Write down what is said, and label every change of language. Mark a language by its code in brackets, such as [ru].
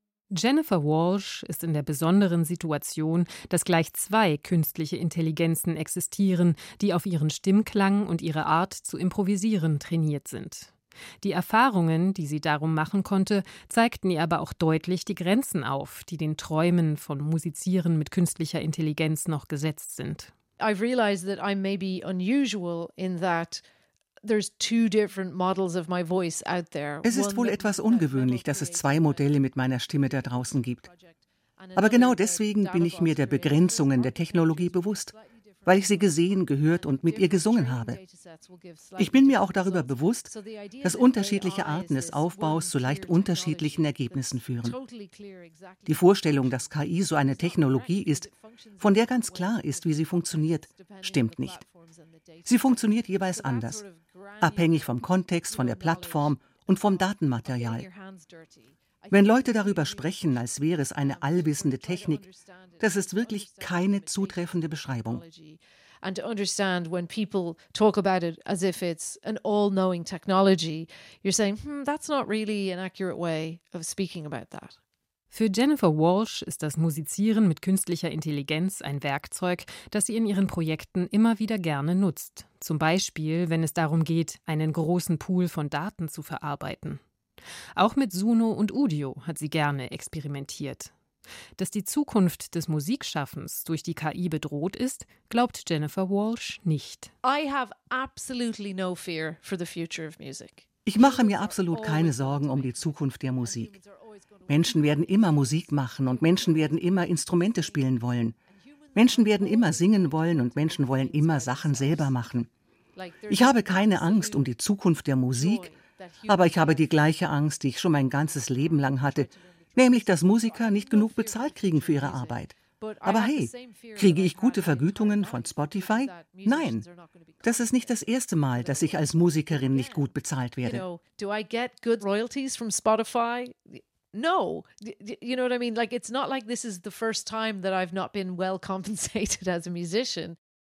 [de] Jennifer Walsh ist in der besonderen Situation, dass gleich zwei künstliche Intelligenzen existieren, die auf ihren Stimmklang und ihre Art zu improvisieren trainiert sind. Die Erfahrungen, die sie darum machen konnte, zeigten ihr aber auch deutlich die Grenzen auf, die den Träumen von Musizieren mit künstlicher Intelligenz noch gesetzt sind. [en] I've realized that I may be unusual in that there's two different models of my voice out there. [de] Es ist wohl etwas ungewöhnlich, dass es zwei Modelle mit meiner Stimme da draußen gibt. Aber genau deswegen bin ich mir der Begrenzungen der Technologie bewusst, weil ich sie gesehen, gehört und mit ihr gesungen habe. Ich bin mir auch darüber bewusst, dass unterschiedliche Arten des Aufbaus zu leicht unterschiedlichen Ergebnissen führen. Die Vorstellung, dass KI so eine Technologie ist, von der ganz klar ist, wie sie funktioniert, stimmt nicht. Sie funktioniert jeweils anders, abhängig vom Kontext, von der Plattform und vom Datenmaterial. Wenn Leute darüber sprechen, als wäre es eine allwissende Technik, das ist wirklich keine zutreffende Beschreibung. [en] And to understand when people talk about it as if it's an all-knowing technology, you're saying, that's not really an accurate way of speaking about that. [de] Für Jennifer Walsh ist das Musizieren mit künstlicher Intelligenz ein Werkzeug, das sie in ihren Projekten immer wieder gerne nutzt. Zum Beispiel, wenn es darum geht, einen großen Pool von Daten zu verarbeiten. Auch mit Suno und Udio hat sie gerne experimentiert. Dass die Zukunft des Musikschaffens durch die KI bedroht ist, glaubt Jennifer Walsh nicht. [en] I have absolutely no fear for the future of music. [de] Ich mache mir absolut keine Sorgen um die Zukunft der Musik. Menschen werden immer Musik machen und Menschen werden immer Instrumente spielen wollen. Menschen werden immer singen wollen und Menschen wollen immer Sachen selber machen. Ich habe keine Angst um die Zukunft der Musik, aber ich habe die gleiche Angst, die ich schon mein ganzes Leben lang hatte, nämlich, dass Musiker nicht genug bezahlt kriegen für ihre Arbeit. Aber hey, kriege ich gute Vergütungen von Spotify? Nein, das ist nicht das erste Mal, dass ich als Musikerin nicht gut bezahlt werde. [en] Do I get good royalties from Spotify? No, you know what I mean? Like, it's not like this is the first time that I've not been well compensated as a musician.